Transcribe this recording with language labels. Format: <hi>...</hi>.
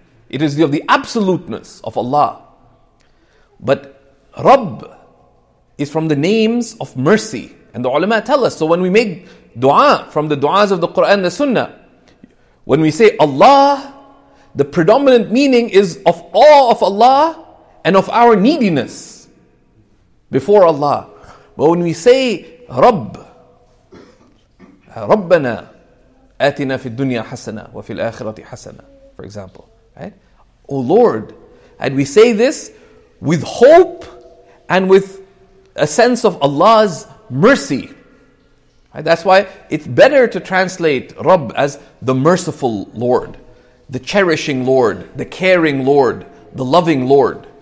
<en>It is of the absoluteness of Allah. But Rabb is from the names of mercy. And the ulama tell us, so when we make dua from the du'as of the Qur'an, the sunnah, when we say Allah, the predominant meaning is of awe of Allah and of our neediness before Allah. But when we say Rabb,</en> <ar>رَبَّنَا آتِنَا فِي الدُّنْيَا حَسَنَا وَفِي الْآخِرَةِ حَسَنَا,</ar> <en>for example. Right? Oh Lord, and we say this with hope and with a sense of Allah's mercy. Right? That's why it's better to translate Rabb as the merciful Lord, the cherishing Lord, the caring Lord, the loving Lord.</en>